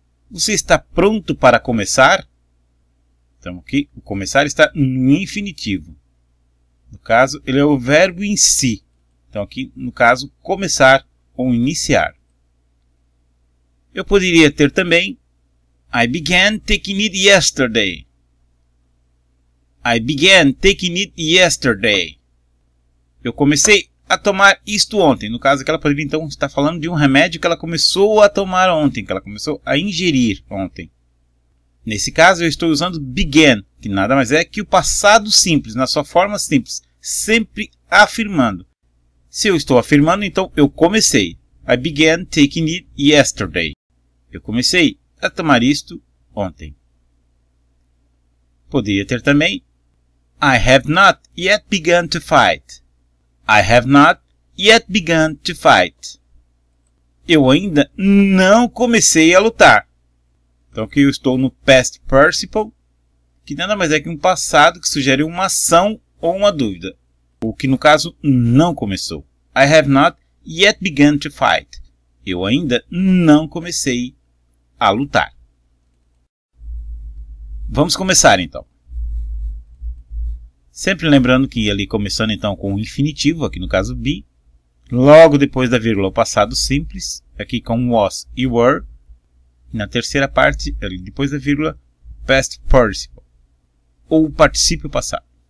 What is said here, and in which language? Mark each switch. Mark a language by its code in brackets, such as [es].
[pt] Você está pronto para começar? Então aqui, o começar está no infinitivo. No caso, ele é o verbo em si. Então aqui, no caso, começar. Ou iniciar. Eu poderia ter também [en] I began taking it yesterday. I began taking it yesterday. [pt] Eu comecei a tomar isto ontem. No caso, ela poderia então estar falando de um remédio que ela começou a tomar ontem, que ela começou a ingerir ontem. Nesse caso, eu estou usando began, que nada mais é que o passado simples, na sua forma simples, sempre afirmando. Se eu estou afirmando, então eu comecei. [en] I began taking it yesterday. [pt] Eu comecei a tomar isto ontem. Poderia ter também. [en] I have not yet begun to fight. I have not yet begun to fight. [pt] Eu ainda não comecei a lutar. Então aqui eu estou no past participle, que nada mais é que um passado que sugere uma ação ou uma dúvida. O que no caso não começou. [en] I have not yet begun to fight. [pt] Eu ainda não comecei a lutar. Vamos começar então. Sempre lembrando que ali começando então com o infinitivo, aqui no caso be, logo depois da vírgula o passado simples, aqui com was e were, na terceira parte, ali depois da vírgula, past participle, ou participio passado.